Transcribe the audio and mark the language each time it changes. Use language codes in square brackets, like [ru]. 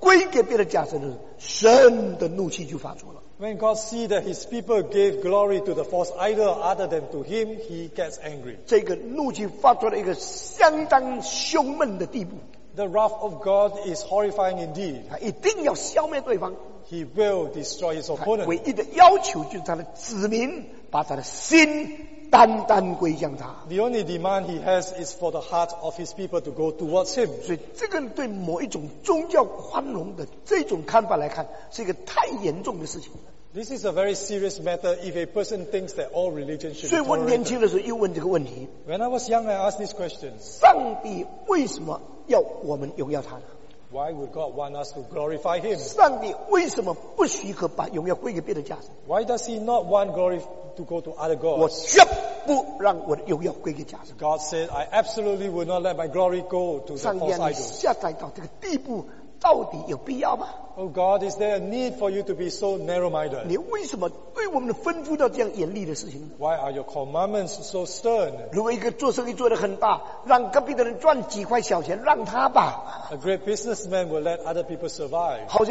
[zh] 当上帝看见他的百姓把应当归给他的荣耀归给别的假神的时候，神的怒气就发出了。 [en] When God sees that his people gave glory to the false idol other than to him, he gets angry. [zh] 这个怒气发出了一个相当凶猛的地步。 [en] The wrath of God is horrifying indeed. [zh] 他一定要消灭对方。 [en] He will destroy his opponent. [zh] 他唯一的要求就是他的子民把他的心单单归向他。 [en] The only demand he has is for the heart of his people to go towards him. [zh] 所以这个对某一种宗教宽容的这种看法来看，是一个太严重的事情。 [en] This is a very serious matter if a person thinks that all religion should be tolerated. [zh] 所以我年轻的时候又问这个问题。 [en] When I was young, I asked this question. [zh] 上帝为什么要我们荣耀他呢？ [en] Why would God want us to glorify him? [zh] 上帝为什么不许可把荣耀归给别的家神？ [en] Why does he not want glory to go to other gods? [zh] 我绝不让我的荣耀归给家神。 [en] God said, I absolutely will not let my glory go to the false idols. [zh] 上帝下载到这个地步, 到底有必要吗？ [en] Oh God, is there a need for you to be so narrow-minded? [zh] 你为什么对我们的吩咐到这样严厉的事情？ [en] Why are your commandments so stern? [zh] 如果一个做生意做得很大，让隔壁的人赚几块小钱，让他吧。 [en] A great businessman will let other people survive.